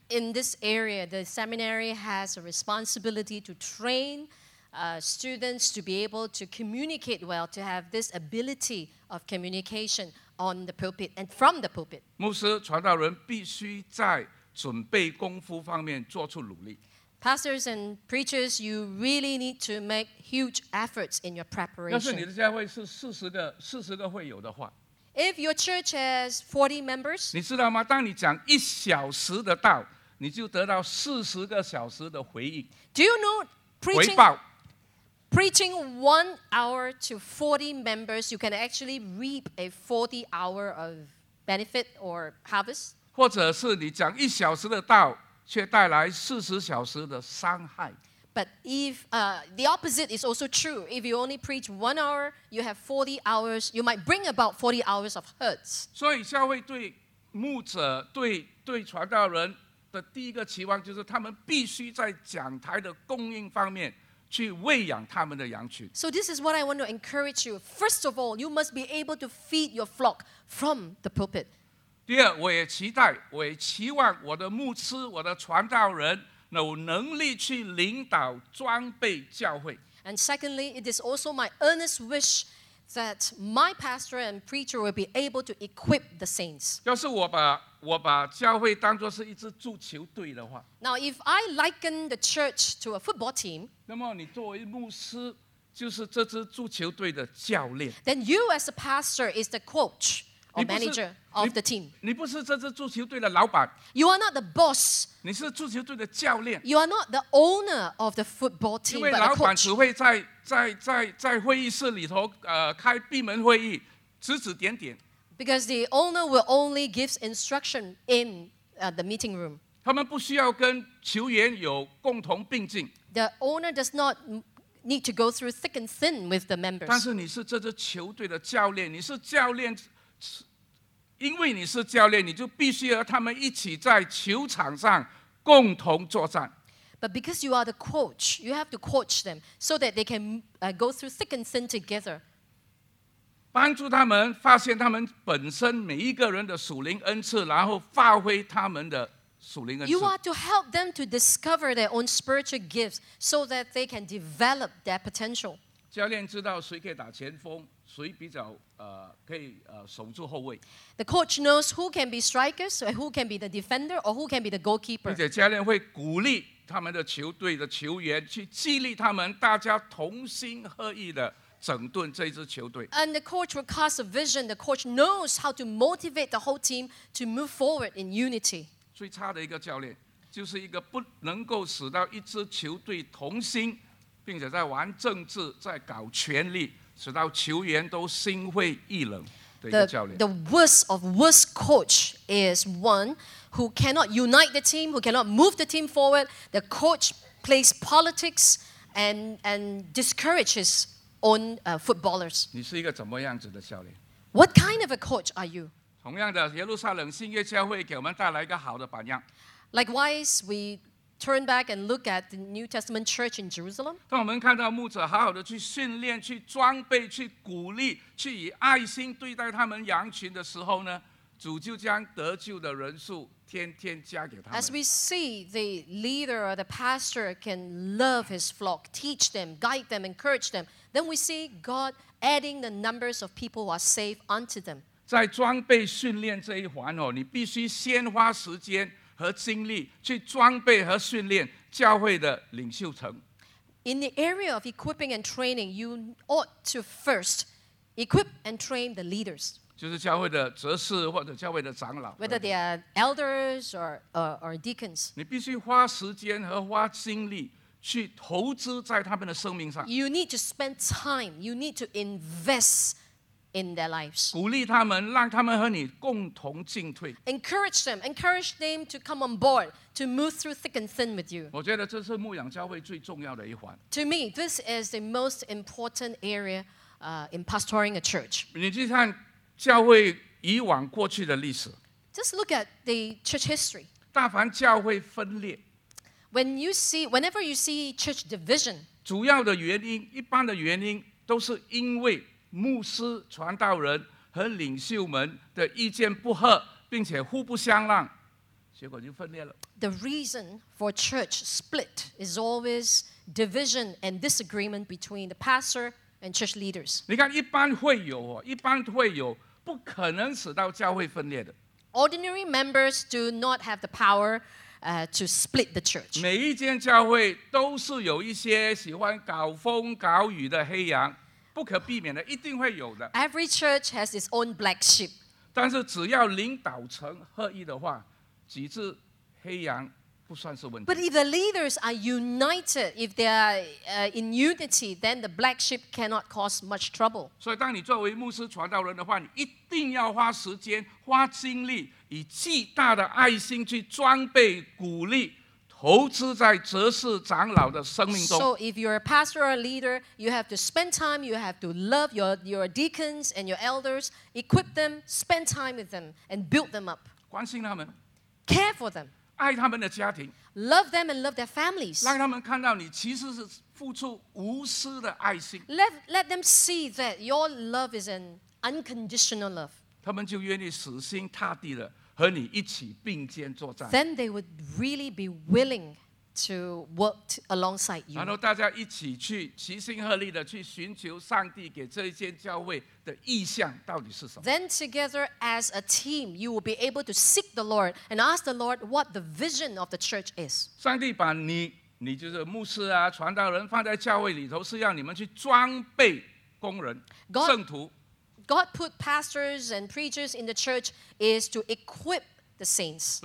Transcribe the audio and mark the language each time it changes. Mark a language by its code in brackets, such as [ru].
[en] So in this area, the seminary has a responsibility to train students to be able to communicate well, to have this ability of communication on the pulpit and from the pulpit. [zh] 牧师、传道人必须在准备功夫方面做出努力。 [en] Pastors and preachers, you really need to make huge efforts in your preparation. [zh] 要是你的教会是40个会友的话， [en] if your church has 40 members, [zh] 你知道吗？当你讲一小时的道，你就得到40个小时的回应。 [en] Do you know preaching? [zh] 回报。 [en] Preaching 1 hour to 40 members, you can actually reap a 40 hour of benefit or harvest. [zh] 或者是你讲一小时的道，却带来40小时的伤害。 [en] But if the opposite is also true, if you only preach 1 hour, you have 40 hours, you might bring about 40 hours of hurts. [zh] 所以教会对牧者、对传道人的第一个期望，就是他们必须在讲台的供应方面去喂养他们的羊群。 [en] So this is what I want to encourage you. First of all, you must be able to feed your flock from the pulpit. [zh] 第二，我也期待，我也期望我的牧师，我的传道人有能力去领导装备教会。 [en] And secondly, it is also my earnest wish that my pastor and preacher will be able to equip the saints. [zh] 要是我把教会当作是一支足球队的话， [en] Now if I liken the church to a football team, [zh] 那么你作为牧师就是这支足球队的教练。 [en] Then you as a pastor is the coach or manager of the team. [zh] 你不是这支足球队的老板。 [en] You are not the boss. [zh] 你是足球队的教练。 [en] You are not the owner of the football team, but the coach. [zh] 因为老板只会在会议室里头开闭门会议，指指点点。 [en] Because the owner will only give instruction in the meeting room. [zh] 他们不需要跟球员有共同并进。 [en] The owner does notneed to go through thick and thin with the members. [zh] 但是你是这支球队的教练，你是教练，因为你是教练，你就必须和他们一起在球场上共同作战。 [en] But because you are the coach, you have to coach them so that they can go through thick and thin together. [zh] 帮助他们发现他们本身每一个人的属灵恩赐，然后发挥他们的。 [en] You are to help them to discover their own spiritual gifts so that they can develop their potential. [zh] 教练知道谁可以打前锋，谁比较可以守住后卫。 [en] The coach knows who can be strikers, who can be the defender, or who can be the goalkeeper. [zh] 而且教练会鼓励他们的球队的球员去激励他们，大家同心合意的整顿这支球队。 [en] And the coach will cast a vision. The coach knows how to motivate the whole team to move forward in unity. [zh] 最差的一个教练就是一个不能够使到一支球队同心，并且在玩政治，在搞权力，使到球员都心灰意冷的一个教练。 [en] The worst of worst coach is one who cannot unite the team, who cannot move the team forward. The coach plays politics and discourages own footballers. [zh] 你是一个怎么样子的教练？ [en] What kind of a coach are you? [zh] 同样的，耶路撒冷新约教会给我们带来一个好的榜样。 [en] Likewise, we turn back and look at the New Testament church in Jerusalem. [zh] 当我们看到牧者好好的去训练、去装备、去鼓励、去以爱心对待他们羊群的时候呢，主就将得救的人数天天加给他们。 [en] As we see, the leader or the pastor can love his flock, teach them, guide them, encourage them. Then we see God adding the numbers of people who are saved unto them. [zh] 在装备训练这一环，你必须先花时间和精力去装备和训练教会的领袖层。 [en] In the area of equipping and training, you ought to first equip and train the leaders. [zh] 就是教会的执事或者教会的长老。 [en] Whether they are elders or deacons. [zh] 你必须花时间和花精力去投资在他们的生命上。 [en] You need to spend time. You need to invest. In their lives. [zh] 鼓励他们，让他们和你共同进退。 [en] Encourage them, encourage them to come on board, to move through thick and thin with you. [zh] 我觉得这是牧养教会最重要的一环。 [en] To me, this is the most important area, in pastoring a church. [zh] 你去看教会以往过去的历史。 [en] Just look at the church history. [zh] 大凡教会分裂。 [en] Whenever you see church division, [zh] 主要的原因，一般的原因都是因为。牧师、传道人和领袖们的意见不合，并且互不相让，结果就分裂了。 [en] The reason for church split is always division and disagreement between the pastor and church leaders. [zh] 你看，一般会有，不可能使到教会分裂的。 [en] Ordinary members do not have the power, to split the church. [zh] 每一间教会都是有一些喜欢搞风搞雨的黑羊。不可避免的，一定会有的。 [en] Every church has its own black sheep. [zh] 但是只要领导层合一的话，几只黑羊不算是问题。 [en] But if the leaders are united, if they are in unity, then the black sheep cannot cause much trouble. [zh] 所以，当你作为牧师、传道人的话，你一定要花时间、花精力，以极大的爱心去装备、鼓励。投资在执事长老的生命中。 [en] So if you're a pastor or a leader, you have to spend time, you have to love your deacons and your elders, equip them, spend time with them, and build them up. [zh] 关心他们。 [en] Care for them. [zh] 爱他们的家庭。 [en] Love them and love their families. [zh] 让他们看到你其实是付出无私的爱心。 [en] Let them see that your love is an unconditional love. [zh] 他们就愿意死心塌地的和你一起并肩作战。 [en] Then they would really be willing to work alongside you. [zh] 然后大家一起去齐心合力的去寻求上帝给这一间教会的意向到底是什么。 [en] Then together as a team, you will be able to seek the Lord and ask the Lord what the vision of the church is. [zh] 上帝把你，你就是牧师啊，传道人放在教会里头，是让你们去装备工人、圣徒。 [en] God put pastors and preachers in the church is to equip the saints.